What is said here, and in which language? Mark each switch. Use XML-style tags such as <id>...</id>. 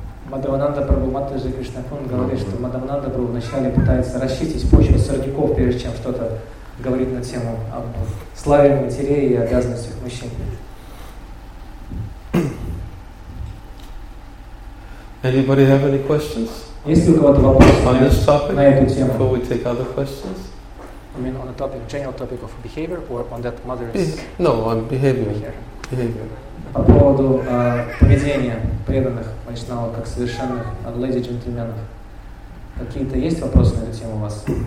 <ru>Мадхавананда Прабху Матаджи Кришна Кун говорит, что Мадхавананда Прабху вначале пытается расчистить почву сорняков, прежде чем что-то говорить на тему о славе матерей и обязанностях мужчин.</ru> <en>Anybody have any questions?</en> <ru>Есть ли у кого-то вопросы</ru> <en>on this topic,</en> <ru>на эту тему?</ru> <en>Before we take other questions? I mean on the topic, general topic of behavior or on that mother's... No, on behavior.</en> <ru>По поводу поведения преданных вайшнава как совершенных леди джентльменов. Какие-то есть вопросы на эту тему у вас?</ru>